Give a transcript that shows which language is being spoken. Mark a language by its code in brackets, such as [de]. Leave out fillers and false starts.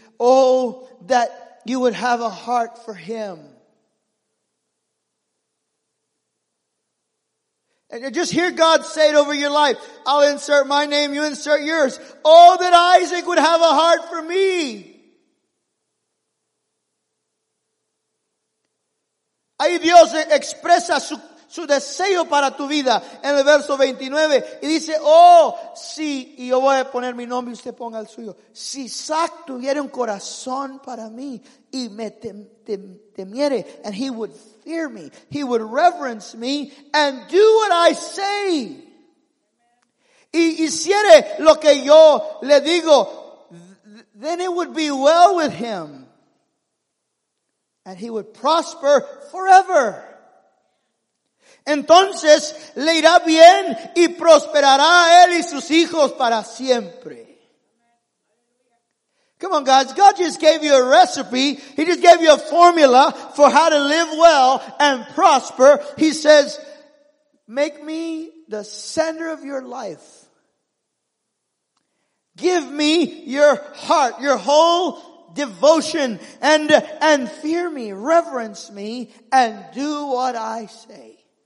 [en] Oh, that you would have a heart for him. And just hear God say it over your life. I'll insert my name, you insert yours. Oh, that Isaac would have a heart for me. [es] Ahí Dios expresa su deseo para tu vida en el verso 29. Y dice, oh, si, y yo voy a poner mi nombre y usted ponga el suyo. Si Isaac tuviera un corazón para mí y me temiere, [en] and he would fear me, he would reverence me and do what I say. [es] Y hiciere lo que yo le digo, [en] then it would be well with him. And he would prosper forever. [es] Entonces le irá bien y prosperará él y sus hijos para siempre. [en] Come on, guys. God just gave you a recipe. He just gave you a formula for how to live well and prosper. He says, make me the center of your life. Give me your heart, your whole devotion, and fear me, reverence me, and do what I say.